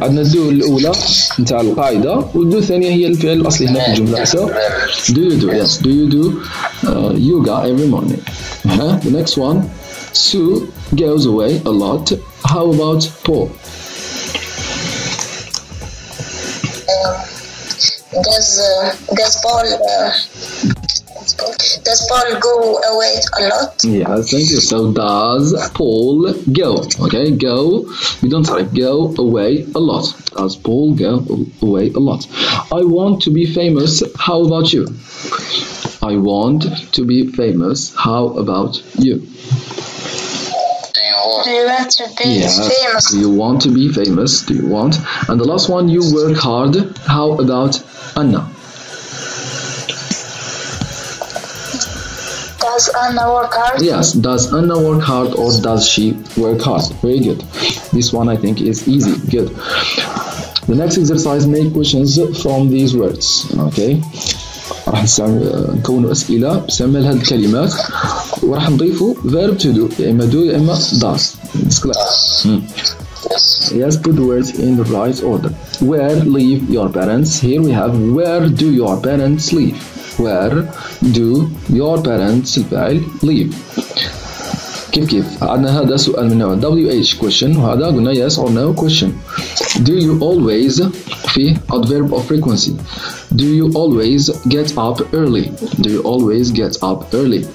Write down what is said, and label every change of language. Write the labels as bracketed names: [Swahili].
[Arabic] عندنا do الأولى نتاع القاعدة والدو الثانية هي الفعل الأصلي هنا في الجملة. [English] So, do you do? Yes, do you do yoga every morning? The next one, Sue goes away a lot. How about Paul? Does Paul go away a lot? Yes, thank you. So does Paul go? Okay, go. We don't say go away a lot. Does Paul go away a lot? I want to be famous. How about you? I want to be famous. How about you? Do you want to be famous? Do you want to be famous? Do you want? And the last one, you work hard. How about Anna? Does Anna work hard? Yes. Does Anna work hard or does she work hard? Very good. This one I think is easy. Good. The next exercise, make questions from these words. Okay. [Arabic] راح نكون أسئلة بسمل هذه الكلمات وراح نضيف verb to do. إما do إما does. [English] It's clear. Yes, put the words in the right order. Where live your parents? Here we have where do your parents live? Where do your parents live? [Arabic] كيف عندنا هذا سؤال من نوع WH question وهذا قلنا yes or no question. [English] Do you always في adverb of frequency? Do you always get up early? Do you always get up early?